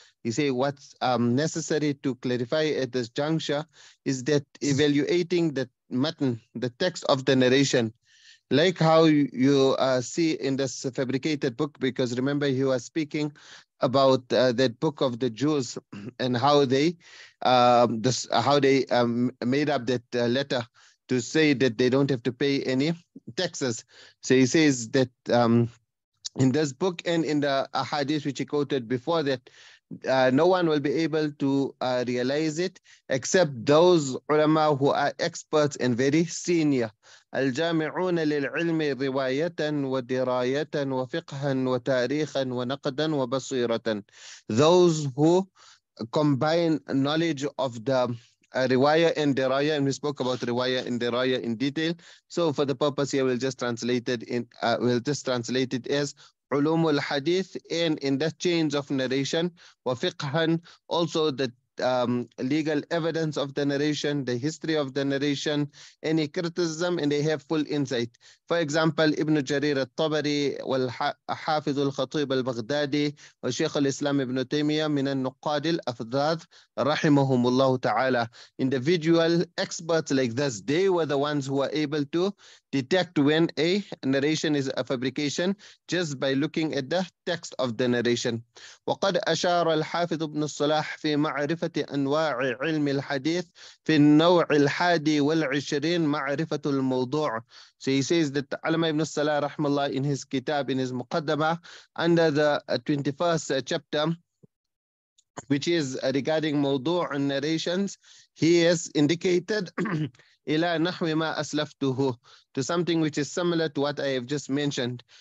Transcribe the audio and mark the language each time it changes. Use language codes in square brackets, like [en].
[en] He says, what's necessary to clarify at this juncture is that evaluating the matn, the text of the narration, like how you see in this fabricated book, because remember he was speaking about that book of the Jews and how they made up that letter to say that they don't have to pay any taxes. So he says that in this book and in the hadith which he quoted before that, no one will be able to realize it except those ulama who are experts and very senior. [ar] الجامعون للعلم رواية ودراية وفقها وتاريخا ونقدا وبصيرة. [en] Those who combine knowledge of the riwaya and diraya, and we spoke about riwaya and diraya in detail. So for the purpose here, we'll just translate it as [ar] علوم الحديث, [en] and in that chains of narration, [ar] وفقها, [en] also the legal evidence of the narration, the history of the narration, any criticism, and they have full insight. For example, Ibn Jarir al-Tabari, Hafiz al-Khatib al-Baghdadi, and Shaykh al-Islam Ibn Taymiyyah, [ar] min al-Nuqad al-Afdad, [en] rahimahumullah ta'ala. Individual experts like this, they were the ones who were able to detect when a narration is a fabrication just by looking at the text of the narration. [ar] وقد أشار الحافظ ابن الصلاح في معرفة أنواع علم الحديث في النوع الحادي والعشرين معرفة الموضوع. [en] So he says that Alama ibn al-Salah rahmallah in his kitab, in his muqaddama, under the 21st chapter, which is regarding mawdu' and narrations, he has indicated [ar] إِلَى نَحْوِ مَا أَسْلَفْتُهُ, [en] to something which is similar to what I have just mentioned.